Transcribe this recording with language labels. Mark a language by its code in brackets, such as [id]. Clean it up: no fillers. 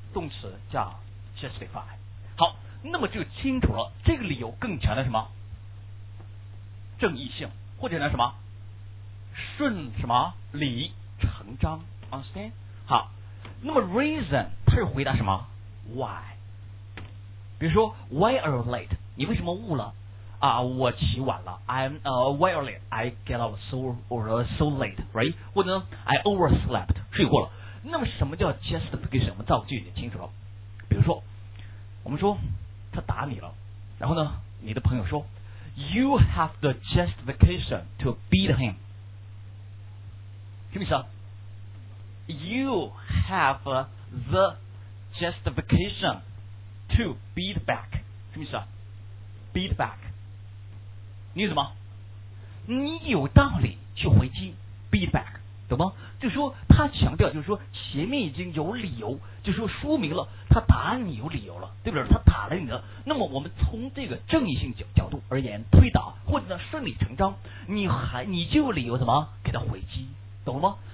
[zh] 动词叫 justify。好，那么就清楚了，这个理由更强的什么正义性，或者呢什么顺什么理成章 ，understand？好，那么 reason 它是回答什么 why？ [en] 比如说 why are you late？ [zh] 你为什么误了？啊，我起晚了 [en] ，I'm why early I get up so late， right？ [zh] 或者 [en] I overslept [zh] 睡过了。那么什么叫 just 给什么造句？你清楚了？比如说，我们说他打你了，然后呢，你的朋友说 ， [en] You have the justification to beat him， [zh] 什么意思啊 ？ [en] You have the justification to beat back， [zh] 什么意思啊 ？Beat back。你怎么？你有道理去回击 [en] beat back， [zh] 懂吗？就说他强调，就是说前面已经有理由，就说说明了他打你有理由了，对不对？他打了你的，那么我们从这个正义性角度而言推导，或者呢顺理成章，你就有理由怎么给他回击，懂了吗？